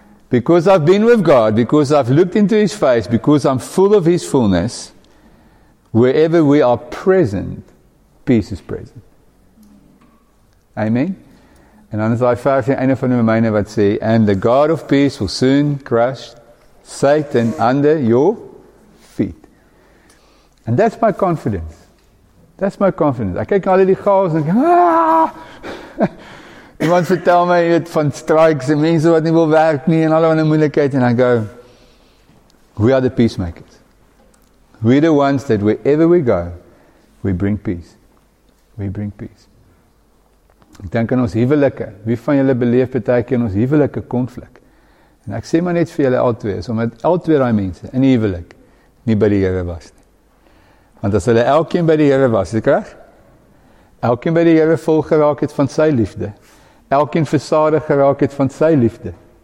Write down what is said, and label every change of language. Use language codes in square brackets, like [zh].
[en] Because I've been with God, because I've looked into His face, because I'm full of His fullness, wherever we are present, peace is present. Amen. And on Isaiah 5, one of the remainder would say, and the God of peace will soon crush Satan under your feet. And that's my confidence. That's my confidence. I kijk all die chaos and go, [af] iemand vertel my het van strikes en mense wat nie wil werk nie en alle van die moeilijkheid. [en] And I go, we are the peacemakers. We're the ones that wherever we go, we bring peace. We bring peace. [af] Ek dink aan ons huwelike. Wie van julle beleef partyke in ons huwelike konflik? En ek sê maar net vir julle altwee, is omdat altwee daai mense in die huwelik nie by die Here was nie. Want as hulle elkeen by die Here was, is reg? Elkeen by die Here vol geraak het van sy liefde. Elkeen versadig geraak het van sy liefde.